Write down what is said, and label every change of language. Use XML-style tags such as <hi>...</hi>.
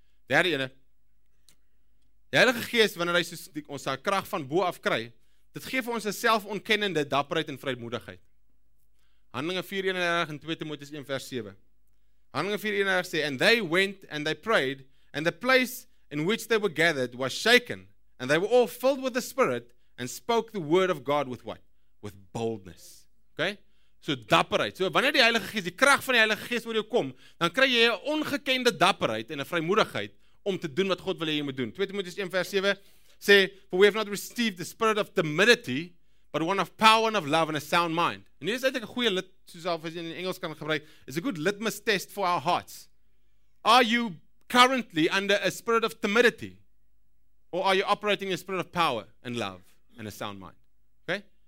<af>Derde ene, die Heilige Gees, wanneer hy soos ons sy krag van bo af kry, dit gee vir ons 'n selfontkennende dapperheid en vrymoedigheid. Handelinge 4:31 en 2 Timoteus 1 vers 7. Handelinge 4:31 sê,</af> <en>and they went and they prayed and the place in which they were gathered was shaken and they were all filled with the Spirit and spoke the word of God with what? With boldness. Okay?</en> <af>So dapperheid. So wanneer die Heilige Gees, die krag van die Heilige Gees oor jou kom, dan kry jy 'n ongekende dapperheid en 'n vrymoedigheid om te doen wat God wil hê jy moet doen. 2 Timoteus 1 vers 7 sê,</af> <en>for we have not received the spirit of timidity, but one of power and of love and a sound mind.</en> <af>En hier is eintlik 'n goeie lit, soos al as jy in Engels kan gebruik,</af> <en>is a good litmus test for our hearts. Are you currently under a spirit of timidity? Or are you operating in a spirit of power and love? And a sound mind. Okay?</en>